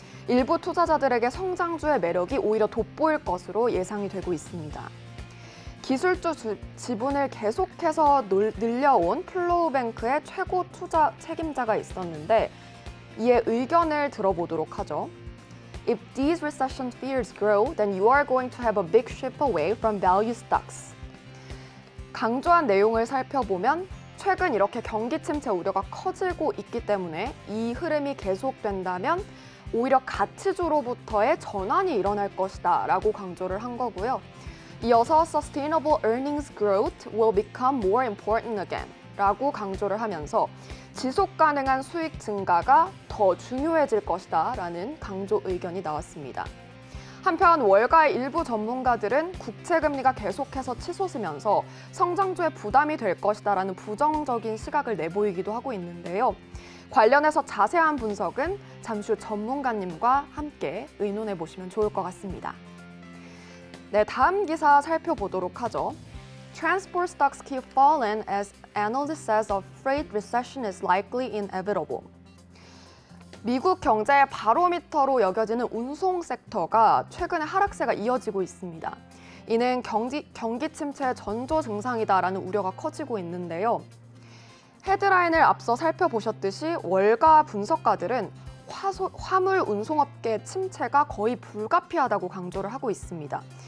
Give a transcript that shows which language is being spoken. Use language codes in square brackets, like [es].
[ko] 일부 투자자들에게 성장주의 매력이 오히려 돋보일 것으로 예상이 되고 있습니다. 기술주 지분을 계속해서 늘려온 플로우뱅크의 최고 투자 책임자가 있었는데 이에 의견을 들어보도록 하죠. [en] If these recession fears grow, then you are going to have a big shift away from value stocks. [ko] 강조한 내용을 살펴보면 최근 이렇게 경기 침체 우려가 커지고 있기 때문에 이 흐름이 계속된다면 오히려 가치주로부터의 전환이 일어날 것이다 라고 강조를 한 거고요. 이어서 [en] sustainable earnings growth will become more important again [ko] 라고 강조를 하면서 지속 가능한 수익 증가가 더 중요해질 것이다 라는 강조 의견이 나왔습니다. 한편 월가의 일부 전문가들은 국채 금리가 계속해서 치솟으면서 성장주에 부담이 될 것이다 라는 부정적인 시각을 내보이기도 하고 있는데요. 관련해서 자세한 분석은 잠시 후 전문가님과 함께 의논해 보시면 좋을 것 같습니다. 네, 다음 기사 살펴보도록 하죠. [en] Transport stocks keep falling as analysts says a freight recession is likely inevitable. [ko] 미국 경제의 바로미터로 여겨지는 운송 섹터가 최근에 하락세가 이어지고 있습니다. 이는 경기 침체의 전조 증상이다라는 우려가 커지고 있는데요. 헤드라인을 앞서 살펴보셨듯이 월가 분석가들은 화물 운송업계 침체가 거의 불가피하다고 강조를 하고 있습니다.